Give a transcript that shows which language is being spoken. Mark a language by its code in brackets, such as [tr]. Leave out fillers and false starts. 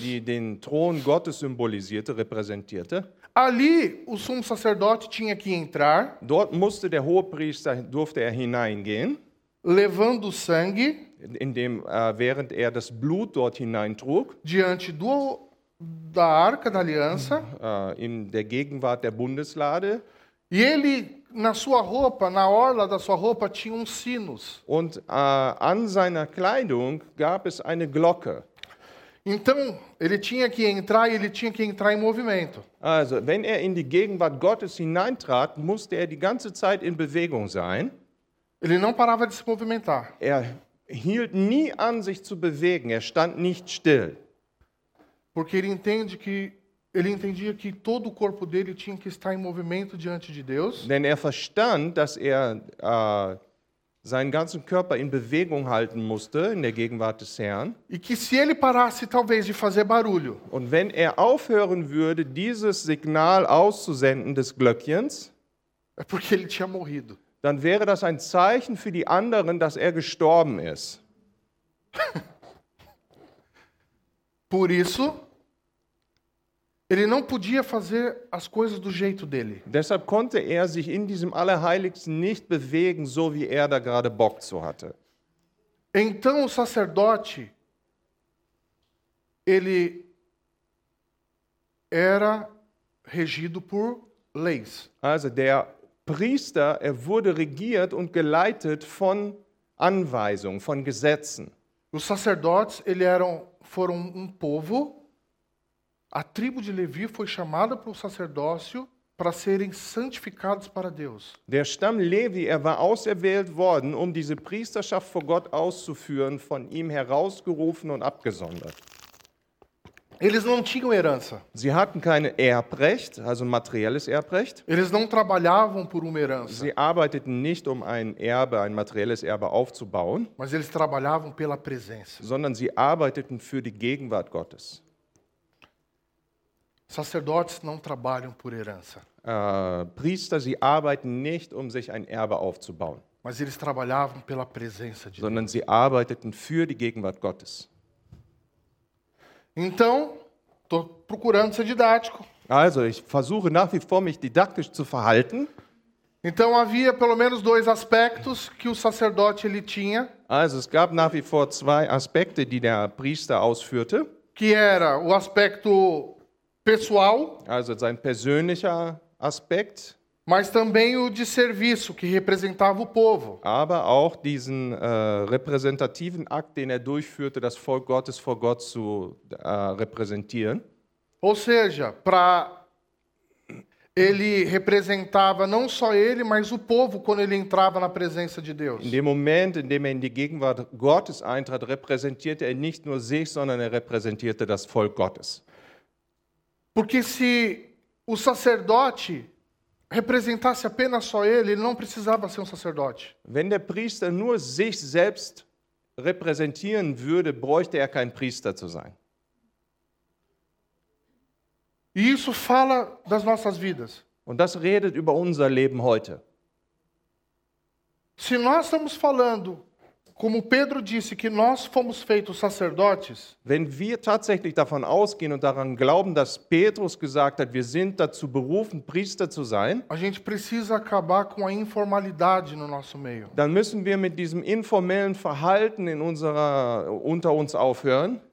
[de] die den Thron Gottes symbolisierte, repräsentierte. [pt] Ali o sumo sacerdote tinha que entrar, [de] dort musste der Hohepriester, durfte er hineingehen, [pt] levando sangue, [de] indem während er das Blut dort hineintrug, [pt] diante da Arca da Aliança, [de] in der Gegenwart der Bundeslade. [pt] E ele, na sua roupa, na orla da sua roupa, tinha um sinus. [de] Und an seiner Kleidung gab es eine Glocke. [pt] Então, ele tinha que entrar e ele tinha que entrar em movimento. [de] Also, wenn er in die Gegenwart Gottes hineintrat, musste er die ganze Zeit in Bewegung sein. [pt] Ele não parava de se movimentar. [de] Er hielt nie an, sich zu bewegen. Er stand nicht still. [pt] Porque ele entende que ele entendia que todo o corpo dele tinha que estar em movimento diante de Deus. [de] Denn er verstand, dass er seinen ganzen Körper in Bewegung halten musste in der Gegenwart des Herrn. [pt] E que se ele parasse talvez de fazer barulho. [de] Und wenn er aufhören würde, dieses Signal auszusenden des Glöckchens, [pt] é porque ele tinha morrido. [de] Dann wäre das ein Zeichen für die anderen, dass er gestorben ist. [pt] Por isso, ele não podia fazer as coisas do jeito dele. [de] Deshalb konnte er sich in diesem Allerheiligsten nicht bewegen, so wie er da gerade Bock zu hatte. [pt] Então o sacerdote, ele era regido por place. [de] Also der Priester, er wurde regiert und geleitet von Anweisungen, von Gesetzen. [pt] Os sacerdotes, eles eram foram povo. A tribo de Levi foi chamada para o sacerdócio para serem santificados para Deus. [de] Der Stamm Levi, er war auserwählt worden, um diese Priesterschaft vor Gott auszuführen, von ihm herausgerufen und abgesondert. [pt] Eles não tinham herança. [de] Sie hatten kein Erbrecht, also materielles Erbrecht. [pt] Eles não trabalhavam por uma herança. [de] Sie arbeiteten nicht, um ein Erbe, ein materielles Erbe aufzubauen. [pt] Mas eles trabalhavam pela presença. [de] Sondern sie arbeiteten für die Gegenwart Gottes. [pt] Sacerdotes não trabalham por herança. [de] Priester, sie arbeiten nicht, um sich ein Erbe aufzubauen. [pt] Mas eles trabalhavam pela presença de Deus. [de] Sondern sie arbeiteten für die Gegenwart Gottes. [pt] Então, tô procurando ser didático. [de] Also, ich versuche nach wie vor mich didaktisch zu verhalten. [pt] Então havia pelo menos dois aspectos que o sacerdote ele tinha. [de] Also, es gab nach wie vor zwei Aspekte, die der Priester ausführte. [pt] Que era o aspecto pessoal, [de] also sein persönlicher Aspekt, [pt] mas também o de serviço que representava o povo. [de] Aber auch diesen repräsentativen Akt, den er durchführte, das Volk Gottes vor Gott zu repräsentieren. [pt] Ou seja, para ele representava não só ele, mas o povo quando ele entrava na presença de Deus. [de] In dem Moment, in dem er in die Gegenwart Gottes eintrat, repräsentierte er nicht nur sich, sondern er repräsentierte das Volk Gottes. [pt] Porque se o sacerdote representasse apenas só ele, ele não precisava ser sacerdote. [de] Wenn der Priester nur sich selbst repräsentieren würde, bräuchte er kein Priester zu sein. [pt] E isso fala das nossas vidas. [de] Und das redet über unser Leben heute. [pt] Se nós estamos falando, como Pedro disse, que nós fomos feitos sacerdotes. [de] Wenn wir tatsächlich davon ausgehen und daran glauben, dass Petrus gesagt hat, wir sind dazu berufen, Priester zu sein. [pt] A gente precisa acabar com a informalidade no nosso meio. [de] Dann müssen wir mit diesem informellen Verhalten in unserer unter uns aufhören.